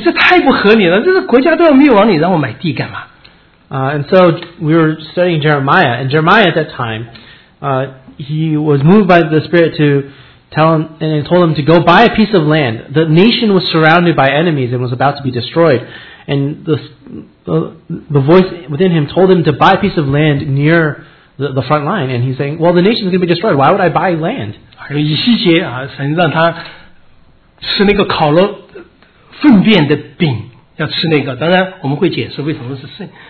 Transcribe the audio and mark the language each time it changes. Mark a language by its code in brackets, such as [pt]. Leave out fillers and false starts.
[zh] 我们最近在查耶利米书，你知道耶利米在那个犹大地那个国家马上就要灭亡了，大兵压境围着的时候，里面有声音，神告诉他，你去买一块地，哇，这个就在那个被围的地方买块地，这太不合理了，这个国家都要灭亡，你让我买地干嘛？ [en] And so we were studying Jeremiah, and Jeremiah at that time, he was moved by the Spirit to tell him, and told him to go buy a piece of land. The nation was surrounded by enemies and was about to be destroyed, and the voice within him told him to buy a piece of land near the front line, and he's saying, well, the nation is going to be destroyed, why would I buy land? [zh] 以西结神让他吃那个烤了粪便的饼，要吃那个，当然我们会解释为什么是圣。